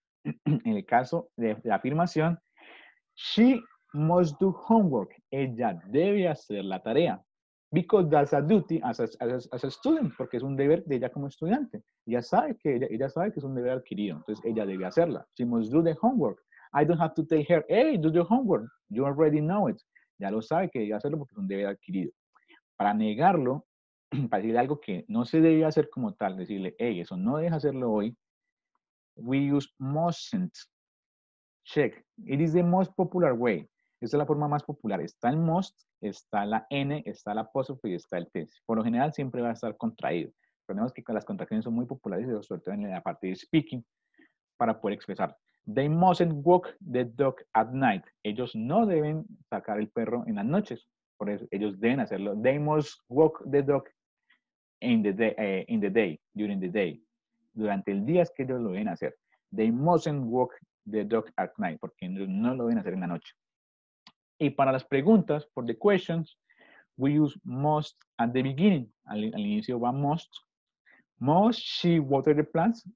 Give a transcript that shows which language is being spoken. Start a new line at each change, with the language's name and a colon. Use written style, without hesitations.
Spanish: En el caso de la afirmación,
English: she must do homework.
Spanish: Ella debe hacer la tarea.
English: Because that's a duty as a student,
Spanish: porque es un deber de ella como estudiante. Ella sabe que es un deber adquirido, entonces ella debe hacerla.
English: She must do the homework. I don't have to tell her, hey, do the homework. You already know it.
Spanish: Ya lo sabe que debe hacerlo porque es un deber adquirido. Para negarlo, para decirle algo que no se debe hacer como tal, decirle, hey, eso no debes hacerlo hoy,
English: we use mustn't. Check. It is the most popular way.
Spanish: Esta es la forma más popular. Está el must, está la N, está el apóstrofe y está el T. Por lo general siempre va a estar contraído. Recordemos que las contracciones son muy populares, sobre todo en la parte de speaking, para poder expresar.
English: They mustn't walk the dog at night.
Spanish: Ellos no deben sacar el perro en las noches. Por eso ellos deben hacerlo.
English: They must walk the dog during the day.
Spanish: Durante el día es que ellos lo deben hacer.
English: They mustn't walk the dog at night,
Spanish: porque ellos no lo deben hacer en la noche. Y para las preguntas,
English: for the questions, we use must at the beginning.
Spanish: Al inicio va must.
English: Must she water the plants?